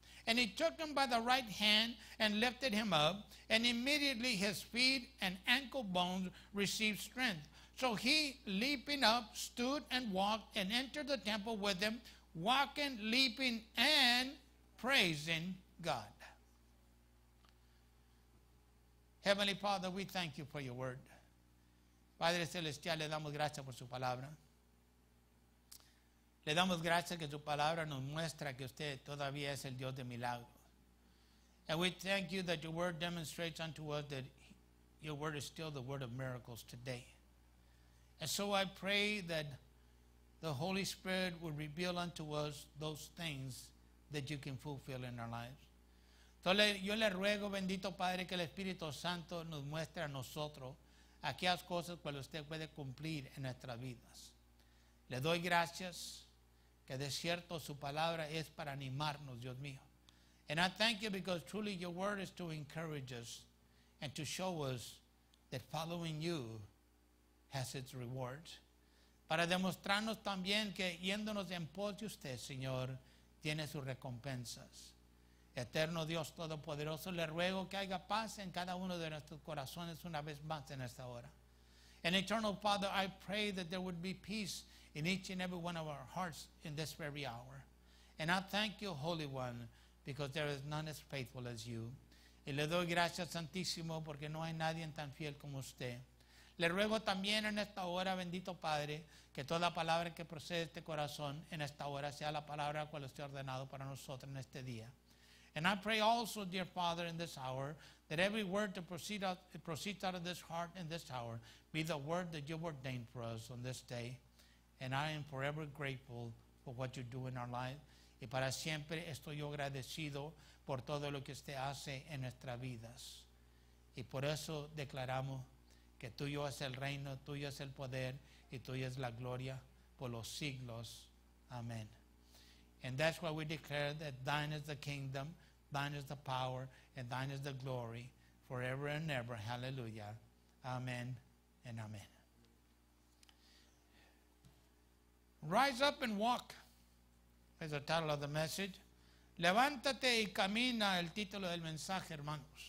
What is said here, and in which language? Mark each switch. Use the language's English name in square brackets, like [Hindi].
[English] And he took him by the right hand and lifted him up, and immediately his feet and ankle bones received strength. So he, leaping up, stood and walked and entered the temple with them, walking, leaping, and praising God. Heavenly Father, we thank you for your word. [Spanish] Padre Celestial, le damos gracias por su palabra. Le damos gracias que su palabra nos muestra que usted todavía es el Dios de milagros. [English] And we thank you that your word demonstrates unto us that your word is still the word of miracles today. And so I pray that the Holy Spirit will reveal unto us those things that you can fulfill in our lives. [Spanish] Entonces yo le ruego, bendito Padre, que el Espíritu Santo nos muestre a nosotros aquellas cosas que usted puede cumplir en nuestras vidas. Le doy gracias. Que de cierto su palabra es para animarnos, Dios mío. [English] And I thank you because truly your word is to encourage us and to show us that following you has its rewards. [Spanish] Para demostrarnos también que yéndonos en pos de usted, Señor, tiene sus recompensas. Eterno Dios Todopoderoso, le ruego que haya paz en cada uno de nuestros corazones una vez más en esta hora. [English] And eternal Father, I pray that there would be peace in each and every one of our hearts in this very hour. And I thank you, Holy One, because there is none as faithful as you. [Spanish] Y le doy gracias, Santísimo, porque no hay nadie tan fiel como usted. Le ruego también en esta hora, bendito Padre, que toda palabra que procede de este corazón en esta hora sea la palabra cual esté ordenado para nosotros en este día. [English] And I pray also, dear Father, in this hour, that every word to proceed out of this heart in this hour be the word that you've ordained for us on this day. And I am forever grateful for what you do in our life. [Spanish] Y para siempre estoy agradecido por todo lo que usted hace en nuestras vidas. Y por eso declaramos que tuyo es el reino, tuyo es el poder, y tuyo es la gloria por los siglos. [English] Amen. And that's why we declare that thine is the kingdom, thine is the power, and thine is the glory forever and ever. Hallelujah. Amen and amen. Rise up and walk is the title of the message. [Spanish] Levántate y camina, el título del mensaje, hermanos.